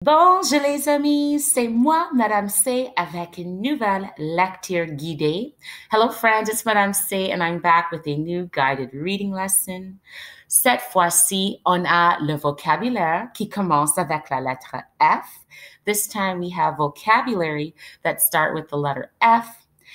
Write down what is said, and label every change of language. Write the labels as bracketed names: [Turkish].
[French] Bonjour les amis, c'est moi, Madame C, avec une nouvelle lecture guidée. [English] Hello friends, it's Madame C, and I'm back with a new guided reading lesson. [French] Cette fois-ci, on a le vocabulaire qui commence avec la lettre F. [English] This time, we have vocabulary that start with the letter F.